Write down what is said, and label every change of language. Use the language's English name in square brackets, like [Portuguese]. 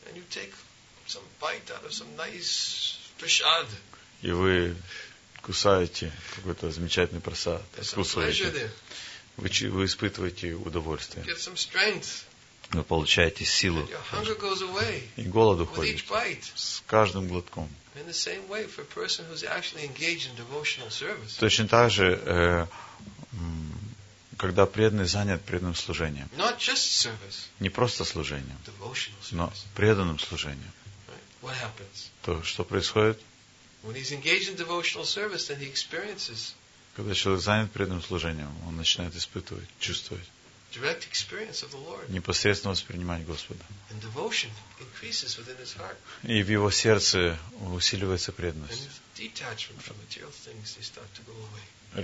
[English] and you take some bite out of some nice prasad, [Russian] и вы кусаете какой-то замечательный прасад, откусываете, вы испытываете удовольствие. [English] You get some strength. [Russian] Вы получаете силу. [English] And your hunger goes away. [Russian] И голод уходит. [English] With each bite. [Russian] С каждым глотком. [English] In the same way for a person who's actually engaged in devotional service. [Russian] Точно так же, когда преданный занят преданным служением. [English] Not just service. [Russian] Не просто служением. [English] Devotional service. [Russian] Но преданным служением. [English] Right. What happens? [Russian] То, что происходит? [English] When he's engaged in devotional service, then he experiences. [Russian] Когда человек занят преданным служением, он начинает испытывать, чувствовать. [English] Direct experience of the Lord. [Russian] Непосредственно воспринимать Господа. [English] And devotion increases within his heart. [Russian] И в его сердце усиливается преданность. [English] And detachment from material things, they start to go away.